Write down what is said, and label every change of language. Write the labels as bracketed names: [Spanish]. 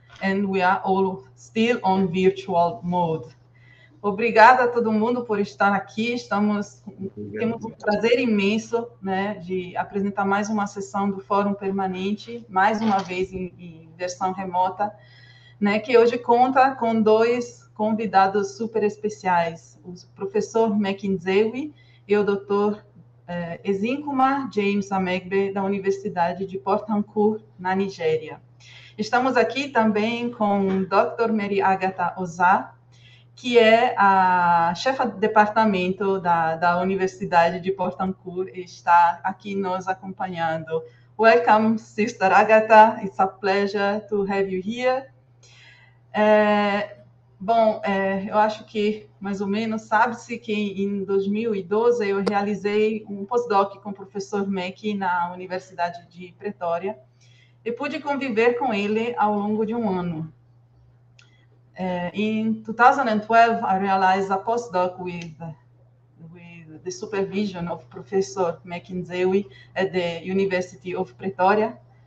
[English] And we are all still on virtual mode. [Portuguese] Obrigada a todo mundo por estar aqui. Temos um prazer imenso, né, de apresentar mais uma sessão do Fórum Permanente, mais uma vez em versão remota, né, que hoje conta com dois convidados super especiais, o professor Mackenzie e o doutor Ezinkuma James Amegbe, da Universidade de Port Harcourt, na Nigéria. Estamos aqui também com Dr. Mary Agatha Oza, que é a chefa de departamento da Universidade de Port Harcourt e está aqui nos acompanhando. [English] Welcome, Sister Agatha. It's a pleasure to have you here. [Portuguese] Eu acho que mais ou menos sabe-se que em 2012 eu realizei um postdoc com o professor Mack na Universidade de Pretória. E pude conviver com ele ao longo de um ano. [English] In 2012, I realized a postdoc with the supervision of Professor Mackenzie at the University of Pretoria.